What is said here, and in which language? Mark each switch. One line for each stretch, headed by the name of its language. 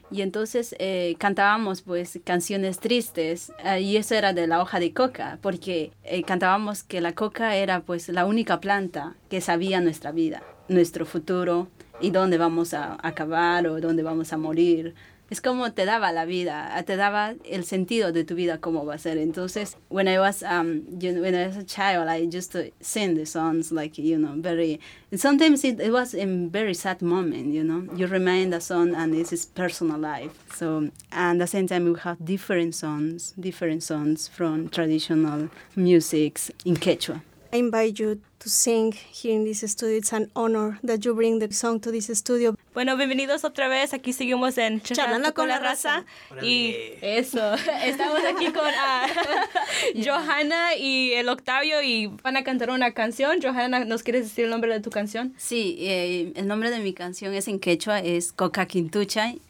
Spanish: Y entonces cantábamos pues canciones tristes y eso era de la hoja de coca, porque cantábamos que la coca era pues la única planta que sabía nuestra vida, nuestro futuro y dónde vamos a acabar o dónde vamos a morir. Es como te daba la vida, te daba el sentido de tu vida, cómo va a ser.
English: Entonces, when I was a child, I used to sing the songs, like, you know, very, and sometimes it was in very sad moment, you know. You remind the song and it's his personal life. So, and at the same time, we have different songs from traditional music in Quechua. I invite you to sing here in this studio. It's an honor that you bring the song to this studio.
Spanish: Bueno, bienvenidos otra vez. Aquí seguimos en Charlando con la Raza. Y eso, estamos aquí con Johanna y el Octavio y van a cantar una canción. Johanna, ¿nos quieres decir el nombre de tu canción? Sí, el nombre de mi canción es en quechua, es Coca Quintuchay.